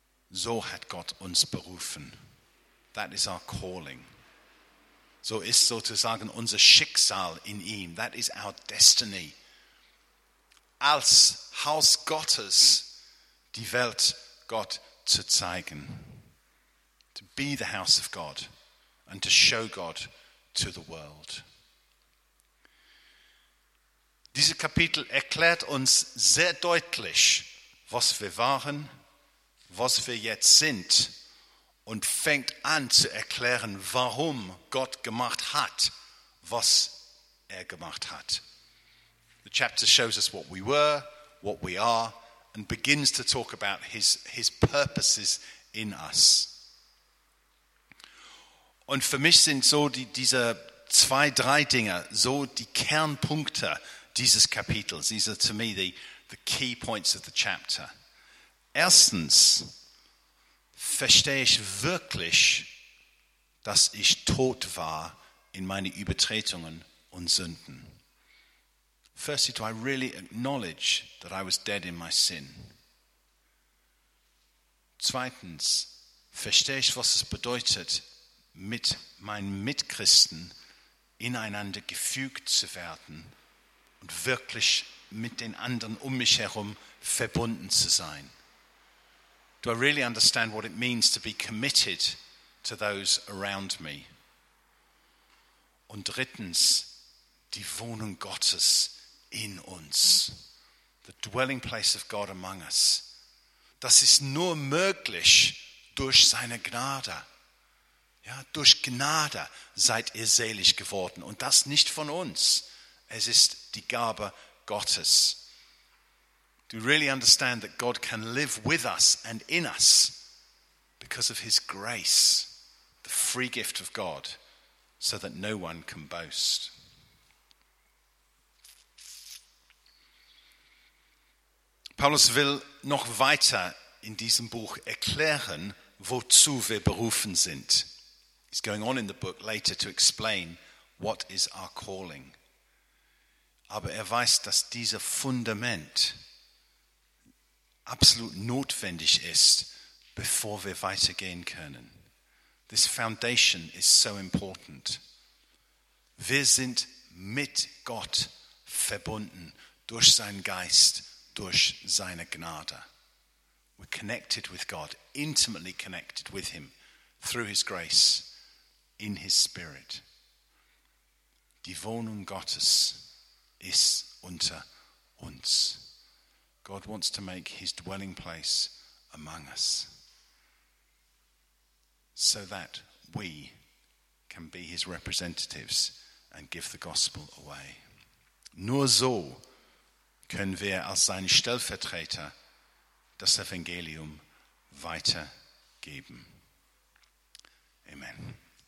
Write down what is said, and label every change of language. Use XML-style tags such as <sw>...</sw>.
<de>So hat Gott uns berufen.</de> <en>That is our calling.</en> <de>So ist sozusagen unser Schicksal in ihm.</de> <en>That is our destiny.</en> <de>Als Haus Gottes die Welt Gott zu zeigen.</de> <en>To be the house of God and to show God to the world.</en> <de>Dieses Kapitel erklärt uns sehr deutlich, was wir waren, was wir jetzt sind. Und fängt an zu erklären, warum Gott gemacht hat, was er gemacht hat.</de> <en>The chapter shows us what we were, what we are, and begins to talk about his purposes in us.</en> <de>Und für mich sind so diese zwei, drei Dinge, so die Kernpunkte dieses Kapitels.</de> <en>These are to me the key points of the chapter.</en> <de>Erstens, verstehe ich wirklich, dass ich tot war in meine Übertretungen und Sünden?</de> <en>Firstly, do I really acknowledge that I was dead in my sin?</en> <de>Zweitens, verstehe ich, was es bedeutet, mit meinen Mitchristen ineinander gefügt zu werden und wirklich mit den anderen um mich herum verbunden zu sein?</de> <en>Do I really understand what it means to be committed to those around me?</en> <de>Und drittens, die Wohnung Gottes in uns.</de> <en>The dwelling place of God among us.</en> <de>Das ist nur möglich durch seine Gnade. Ja, durch Gnade seid ihr selig geworden. Und das nicht von uns. Es ist die Gabe Gottes.</de> <en>Do you really understand that God can live with us and in us because of his grace, the free gift of God, so that no one can boast?</en> <de>Paulus will noch weiter in diesem Buch erklären, wozu wir berufen sind.</de> <en>He's going on in the book later to explain what is our calling.</en> <de>Aber er weiß, dass dieser Fundament absolut notwendig ist, bevor wir weitergehen können.</de> <en>This foundation is so important.</en> <de>Wir sind mit Gott verbunden durch seinen Geist, durch seine Gnade.</de> <en>We're connected with God, intimately connected with him through his grace, in his spirit.</en> <de>Die Wohnung Gottes ist unter uns.</de> <en>God wants to make his dwelling place among us so that we can be his representatives and give the gospel away.</en> <de>Nur so können wir als seine Stellvertreter das Evangelium weitergeben. Amen.</de>